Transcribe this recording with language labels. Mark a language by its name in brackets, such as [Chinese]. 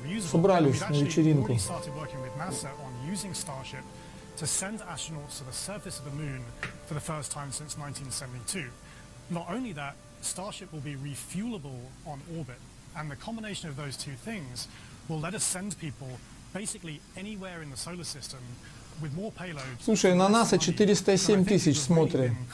[Russian] Собрались на вечеринку. [English] Starship will be refuelable on orbit, and the combination of those two things will let us send people basically anywhere in the solar system with more payload. [Russian] Слушай, на НАСА 407 тысяч смотрят.